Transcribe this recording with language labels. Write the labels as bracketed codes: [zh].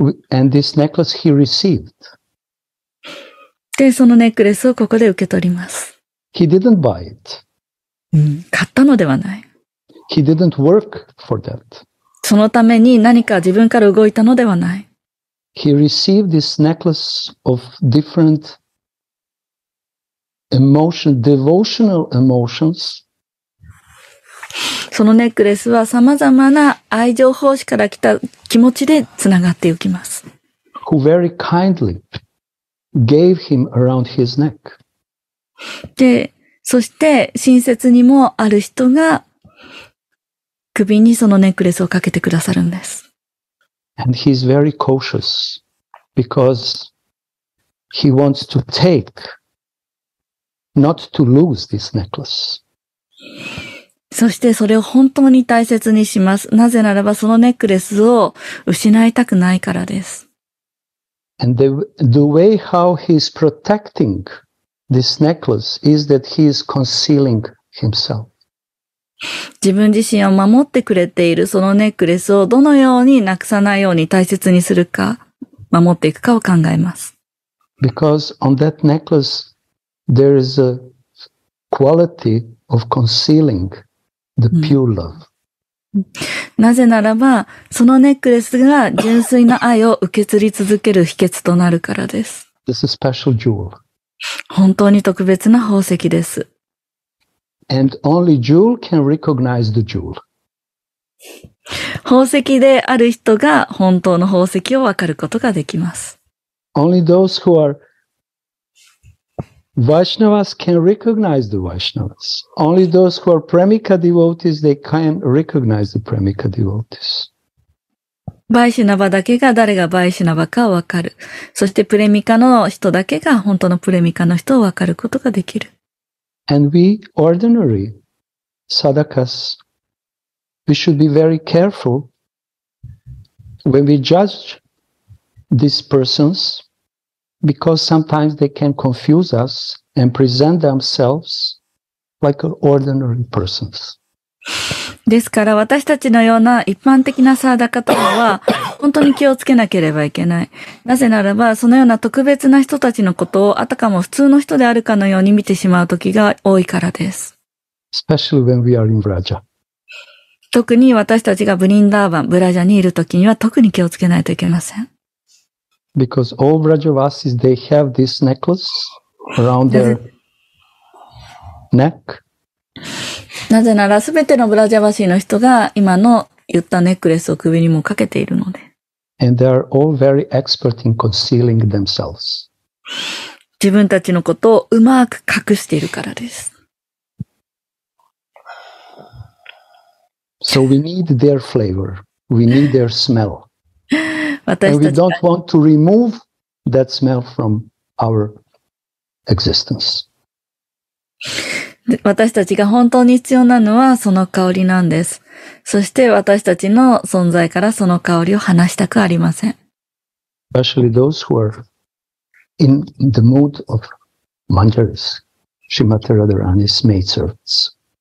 [en] And this necklace he received. [ja] で、そのネックレスをここで受け取ります。 [en] He didn't buy it. [ja] 買ったのではない。 [en] He didn't work for that. [ja] そのために何か自分から動いたのではない。 [en] He received this necklace of different emotion, devotional emotions. [ja] そのネックレスは様々な愛情奉仕から来た気持ちでつながっていきます。 [en] Who very kindly gave him around his neck. [ja] で、そして親切にもある人が首にそのネックレスをかけてくださるんです。 [en] And he's very cautious because he wants to take, not to lose this necklace. [ja] そしてそれを本当に大切にします。なぜならばそのネックレスを失いたくないからです。 [en] And the way how he's protecting this necklace is that he is concealing himself. [ja] 自分自身を守ってくれているそのネックレスをどのようになくさないように大切にするか守っていくかを考えます。 [en] Because on that necklace there is a quality of concealing the pure love. [ja] なぜならばそのネックレスが純粋な愛を受け継ぎ続ける秘訣となるからです。 [en] This is a special jewel. [ja] 本当に特別な宝石です。 [en] And only jewel can recognize the jewel. [ja] 宝石である人が本当の宝石を分かることができます。 [en] Only those who are Vaishnavas can recognize the Vaishnavas. Only those who are Premika devotees, they can recognize the Premika devotees. [ja] Vaishnava だけが誰が Vaishnava かを分かる。そして Premika の人だけが本当の Premika の人を分かることができる。 [en] And we ordinary sadhakas, we should be very careful when we judge these persons because sometimes they can confuse us and present themselves like ordinary persons. [ja] ですから私たちのような一般的なサーダカとは本当に気をつけなければいけない。なぜならば、そのような特別な人たちのことをあたかも普通の人であるかのように見てしまう時が多いからです。 [en] Especially when we are in Vraja. [ja] 特に私たちがブリンダーバン、ブラジャにいる時には特に気をつけないといけません。 [en] Because all Vrajavasis, they have this necklace around their neck. [ja] なぜなら、すべてのブラジャバシーの人が今の言ったネックレスを首にもかけているので。 [en] And they are all very expert in concealing themselves. [ja] 自分たちのことをうまく隠しているからです。 [en] So we need their flavor. We need their smell. [ja] 私たち [en] And we don't want to remove that smell from our existence. [ja] 私たちが本当に必要なのはその香りなんです。そして私たちの存在からその香りを離したくありません。 [en] Especially those who are in the mood of Manjaris, Srimati Radharani's maidservants.